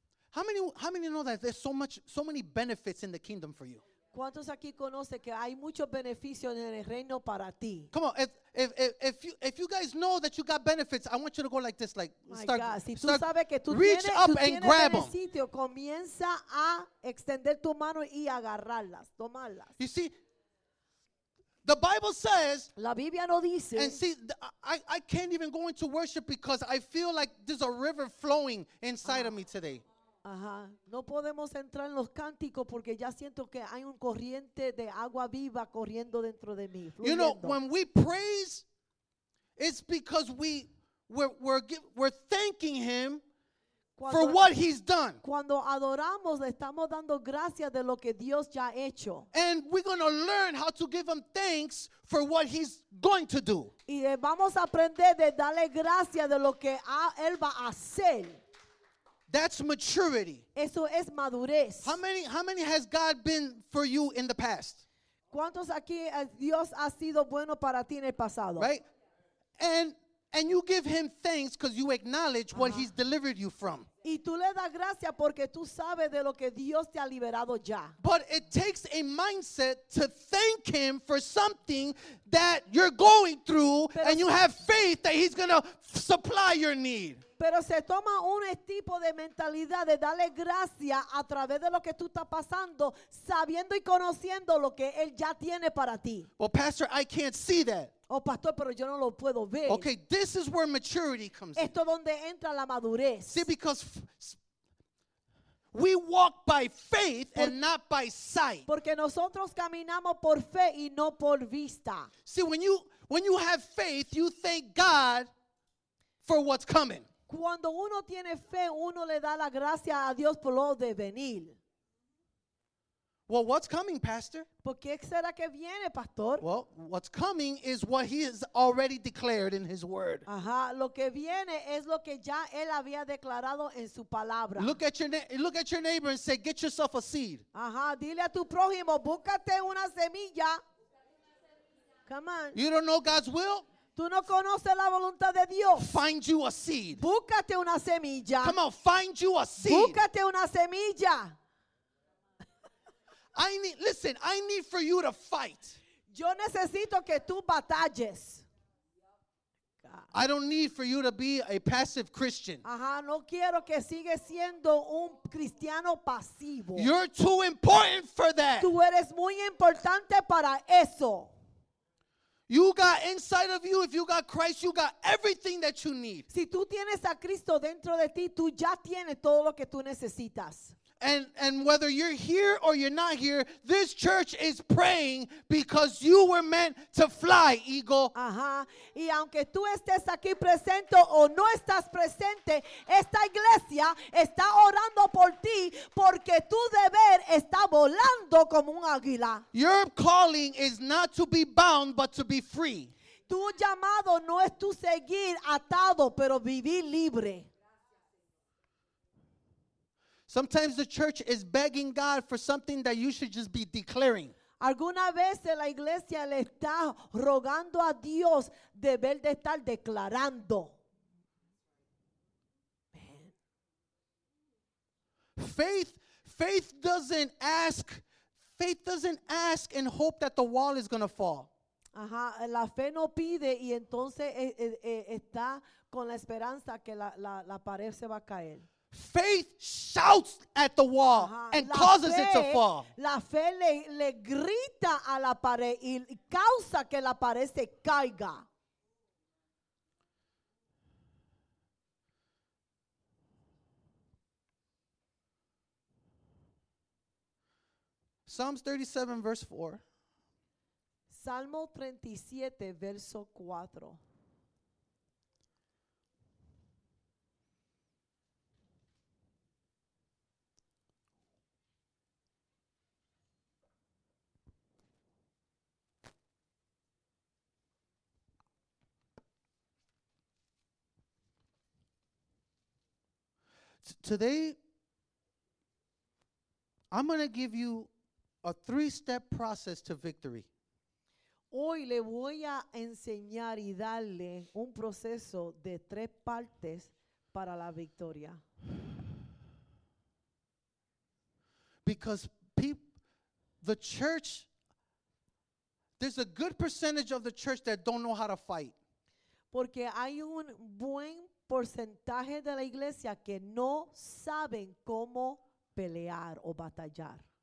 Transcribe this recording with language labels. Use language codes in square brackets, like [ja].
[en] How many know that there's so many benefits in the kingdom for you? [es] ¿Cuántos aquí conocen que hay muchos beneficios en el reino para ti? [en] Come on, if you guys know that you got benefits, I want you to go like this, like my start, [es] God, si [en] start [es] tú sabes que tú [en] reach [es] tienes, [en] up [es] tú [en] and grab them. [es] Sitio, comienza a extender tu mano y agarrarlas, tomarlas. [en] You see, the Bible says, [es] la Biblia no dice, [en] and see, I can't even go into worship because I feel like there's a river flowing inside of me today. [es] Ajá. No podemos entrar en los cánticos porque ya siento que hay un corriente de agua viva corriendo dentro de mí. Fluyendo. [en] You know, when we praise, it's because we're thanking him for what he's done. [es] Cuando adoramos, le estamos dando gracias de lo que Dios ya ha hecho. [en] And we're going to learn how to give him thanks for what he's going to do. [es] Y vamos a aprender de darle gracias de lo que él va a hacer. [en] That's maturity. [es] Eso es madurez. [en] How many has God been for you in the past? [es] ¿Cuántos aquí Dios ha sido bueno para ti en el pasado? [en] Right? And And you give him thanks because you acknowledge what he's delivered you from. [es] Y tú le das gracias porque tú sabes de lo que Dios te ha liberado ya. [en] But it takes a mindset to thank him for something that you're going through, [es] pero [en] and you have faith that he's going to supply your need. [es] Pero se toma un tipo de mentalidad de darle gracias a través de lo que tú estás pasando, sabiendo y conociendo lo que él ya tiene para ti. [en] Well, Pastor, I can't see that. [es] Oh, pastor, pero yo no lo puedo ver. [en] Okay, this is where maturity comes [es] esto [en] in. [es] Donde entra la madurez. [en] See, because we walk by faith and not by sight. [es] Porque nosotros caminamos por fe y no por vista. [en] See, when you have faith, you thank God for what's coming. [es] Cuando uno tiene fe, uno le da la gracia a Dios por lo de venir. [en] Well, what's coming, Pastor? [es] ¿Por qué será que viene, Pastor? [en] Well, what's coming is what he has already declared in his word. [es] Ajá, lo que viene es lo que ya él había declarado en su palabra. [en] Look at your neighbor and say, get yourself a seed. [es] Ajá, dile a tu prójimo, búscate una semilla. [en] Come on. You don't know God's will? [es] Tú no conoces la voluntad de Dios. [en] Find you a seed. [es] Búscate una semilla. [en] Come on, find you a seed. [es] Búscate una semilla. [en] I need for you to fight. [es] Yo necesito que tú batalles. [en] I don't need for you to be a passive Christian. [es] Ajá, no quiero que sigues siendo un cristiano pasivo. [en] You're too important for that. [es] Tú eres muy importante para eso. [en] You got inside of you, if you got Christ, you got everything that you need. [es] Si tú tienes a Cristo dentro de ti, tú ya tienes todo lo que tú necesitas. [en] And whether you're here or you're not here, this church is praying because you were meant to fly, Eagle. [es] Ajá. Y aunque tú estés aquí presente o no estás presente, esta iglesia está orando por ti porque tu deber está volando como un águila. [en] Your calling is not to be bound, but to be free. [es] Tu llamado no es tu seguir atado, pero vivir libre. [en] Sometimes the church is begging God for something that you should just be declaring. [es] Alguna vez la iglesia le está rogando a Dios deber de estar declarando. [en] Faith doesn't ask and hope that the wall is going to fall. [es] Ajá, la fe no pide y entonces está con la esperanza que la pared se va a caer. [en] Faith shouts at the wall and causes it to fall. [es] La fe le grita a la pared y causa que la pared se caiga. [en] Psalms 37, verse 4. [es] Salmo 37, verso 4. [en] Today, I'm going to give you a three-step process to victory. [es] Hoy le voy a enseñar y darle un proceso de tres partes para la victoria. [en] Because the church, there's a good percentage of the church that don't know how to fight. [es] Porque hay un buen porcentaje de la iglesia que no saben cómo pelear o batallar.